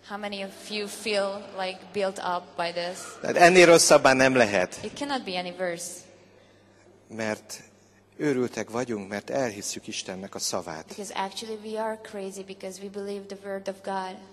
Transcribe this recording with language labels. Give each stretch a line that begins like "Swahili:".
English: How many of you feel like built up by this?
Hungarian: Hát ennél rosszabbá nem lehet.
English: It cannot be any worse.
Hungarian: Mert őrültek vagyunk, mert elhisszük Istennek a szavát.
English: Because actually we are crazy because we believe the word of God.